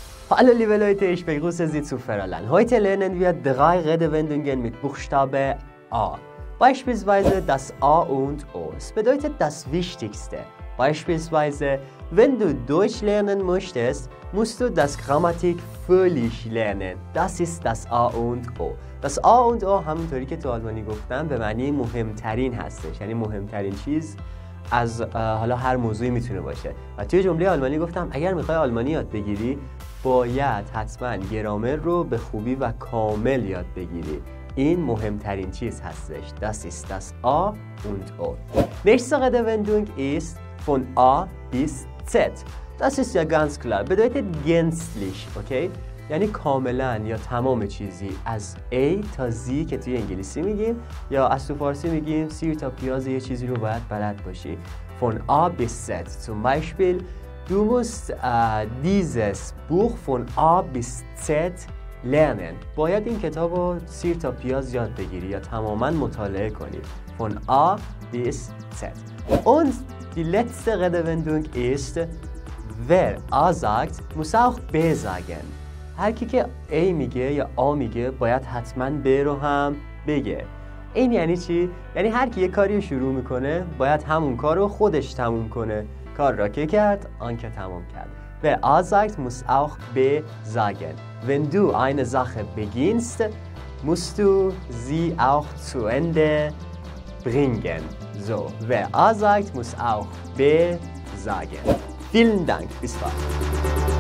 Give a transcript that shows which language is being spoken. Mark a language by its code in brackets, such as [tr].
[de] Hallo liebe Leute, ich begrüße Sie zu Fährerlein. Heute lernen wir drei Redewendungen mit Buchstabe A. Beispielsweise das A und O. Es bedeutet das Wichtigste. Beispielsweise, wenn du Deutsch lernen möchtest, musst du das Grammatik völlig lernen. Das ist das A und O. [fa] Das A und O, همونطوری که تو آلمانی گفتم به معنی مهمترین هستش. یعنی مهمترین چیز از حالا هر موضوعی میتونه باشه. و توی جمله آلمانی گفتم اگر میخوای آلمانی یاد بگیری، باید حتما گرامر رو به خوبی و کامل یاد بگیری. این مهمترین چیز هستش. [de] Das ist das A und O. Nächste Redewendung ist von A bis Z. Das ist ja ganz klar. Bedeutet gänzlich, okay? [fa] یعنی کاملا یا تمام چیزی از A تا Z که توی انگلیسی میگیم یا از تو فارسی میگیم سیر تا پیاز یه چیزی رو باید بلد باشی. [de] Von A bis Z. Zum Beispiel, du musst dieses Buch von A bis Z lernen. [fa] باید این کتاب رو سیر تا پیاز یاد بگیری یا تماما مطالعه کنی. [de] Von A bis Z. Und die letzte Redewendung ist, wer A sagt, muss auch B sagen. [fa] هر کی که A میگه یا A میگه باید حتما B رو هم بگه. این یعنی چی؟ یعنی هر کی یه کاری شروع میکنه باید همون کار رو خودش تموم کنه. کار را که کرد آن که تموم کرد. [de] Wer A sagt, muss auch B sagen. Wenn du eine Sache beginnst, musst du sie auch zu Ende bringen. So, wer A sagt, muss auch B sagen. Vielen Dank, bis bald.